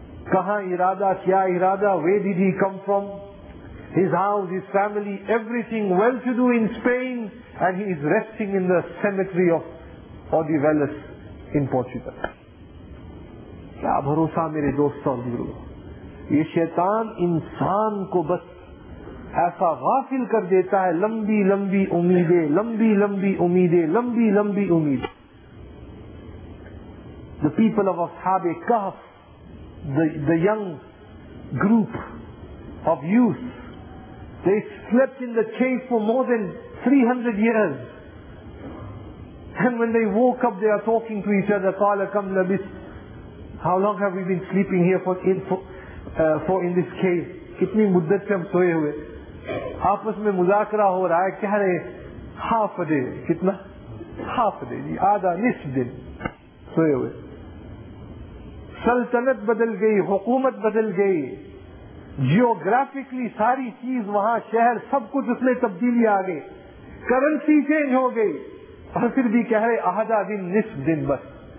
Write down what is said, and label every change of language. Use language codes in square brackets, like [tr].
[ur] کہاں ارادہ, کیا ارادہ, [en] where did he come from, his house, his family, everything well to do in Spain, and he is resting in the cemetery of Odivelas in Portugal. [ur] کیا بھروسہ میرے دوست اور بزرگ, یہ شیطان انسان کو بس ایسا غافل کر دیتا ہے, لمبی لمبی امیدیں, لمبی لمبی امیدیں, لمبی لمبی امید. [en] The people of اصحاب کہف, the young group of youth, they slept in the cave for more than 300 years. And when they woke up, they are talking to each other, [ar] قَالَ كَمْ لَبِثْ, [en] how long have we been sleeping here for in this cave? [ur] کتنی مدت سے ہم سوئے ہوئے, آپس میں مذاکرہ ہو رہا ہے, کہہ رہے [en] half a day, [ur] کتنا half a day, آدھا نصف دن سوئے ہوئے. سلطنت بدل گئی, حکومت بدل گئی, جیوگرافکلی ساری چیز وہاں, شہر سب کچھ اس میں تبدیلی آ گئی, کرنسی چینج ہو گئی, اور پھر بھی کہہ رہے آدھا دن نصف دن بس.